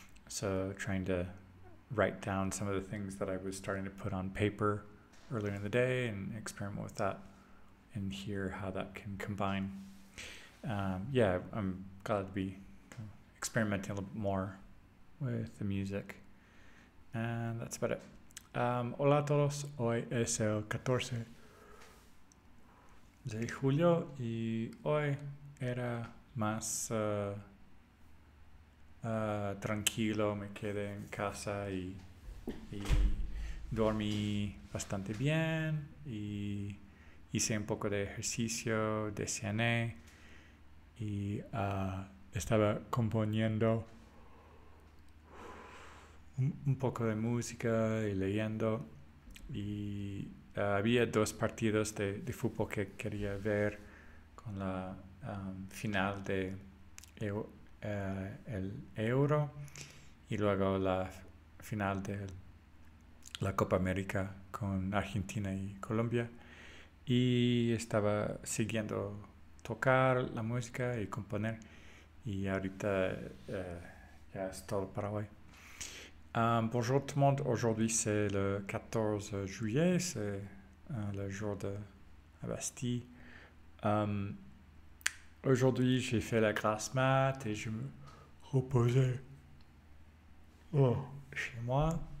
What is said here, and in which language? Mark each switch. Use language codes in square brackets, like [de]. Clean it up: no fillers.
[en] So trying to write down some of the things that I was starting to put on paper earlier in the day and experiment with that and hear how that can combine. I'm glad to be experimenting a little bit more with the music. And that's about it. [es] Hola a todos, hoy es el 14 de julio y hoy era más tranquilo, me quedé en casa y dormí bastante bien y hice un poco de ejercicio, de cené y estaba componiendo un poco de música y leyendo y había dos partidos de fútbol que quería ver con la final de el Euro y luego la final de la Copa América con Argentina y Colombia, y estaba siguiendo tocar la música y componer, y ahorita ya es todo para hoy. [fr] Bonjour tout le monde, aujourd'hui c'est le 14 juillet, c'est le jour de la Bastille. Aujourd'hui, j'ai fait la grasse mat et je me reposais chez moi.